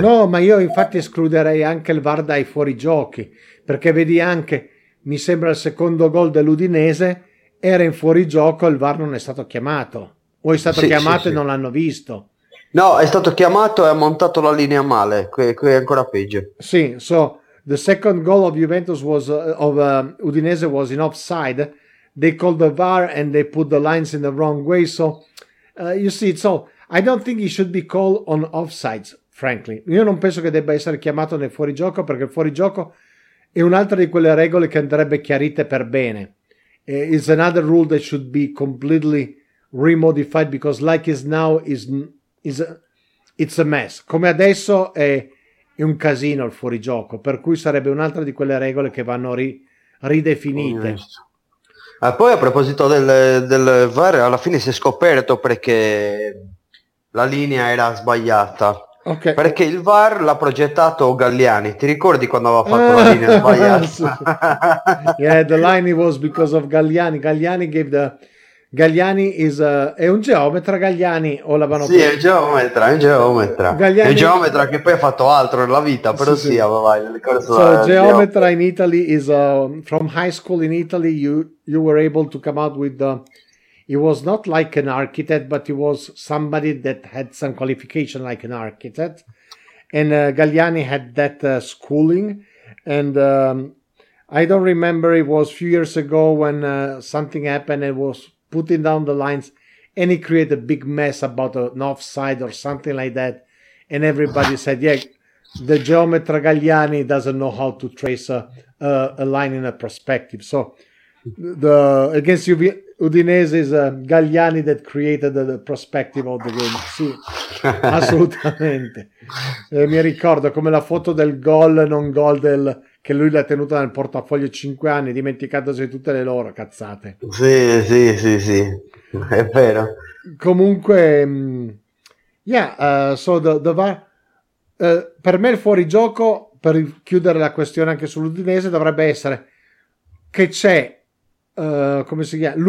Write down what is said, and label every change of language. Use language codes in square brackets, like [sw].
[it] No, ma io infatti escluderei anche il VAR dai fuorigiochi, perché vedi anche, mi sembra il secondo gol dell'Udinese, era in fuorigioco, il VAR non è stato chiamato. O è stato chiamato e non l'hanno visto. No, è stato chiamato e ha montato la linea male, qui è ancora peggio. [en] Sì, so, the second goal of Juventus was of Udinese was in offside. They called the VAR and they put the lines in the wrong way. So, you see, so I don't think he should be called on offsides, frankly. [it] Io non penso che debba essere chiamato nel fuorigioco, perché il fuorigioco è un'altra di quelle regole che andrebbe chiarite per bene. [en] It's another rule that should be completely remodified, because like is now it's a mess. [it] Come adesso è un casino il fuorigioco, per cui sarebbe un'altra di quelle regole che vanno ridefinite. Poi a proposito del VAR, alla fine si è scoperto perché la linea era sbagliata. Okay. Perché il VAR l'ha progettato Galliani. Ti ricordi quando aveva fatto la linea sbagliata? [en] Yeah, the line it was because of Galliani. Galliani gave the [it] Gagliani is è un geometra, Gagliani o la Vanocchi? Sì, è un geometra, è un geometra. Gagliani... è un geometra che poi ha fatto altro nella vita, però sì, sì. Sì, vai, [en] so, geometra in Italy is from high school in Italy you were able to come out with he was not like an architect, but he was somebody that had some qualification like an architect. And Gagliani had that schooling. And I don't remember, it was a few years ago when something happened and was putting down the lines. And he created a big mess about an offside or something like that. And everybody said, yeah, the geometer Gagliani doesn't know how to trace a line in a perspective. So the against UV... Udinese is Gagliani that created the perspective of the game. [it] Sì, assolutamente. Mi ricordo come la foto del gol non gol del che lui l'ha tenuta nel portafoglio 5 anni, dimenticandosi tutte le loro cazzate. Sì, sì, sì, sì. È vero. Comunque, [en] so the VAR, [it] per me il fuorigioco, per chiudere la questione anche sull'Udinese, dovrebbe essere che c'è come si chiama?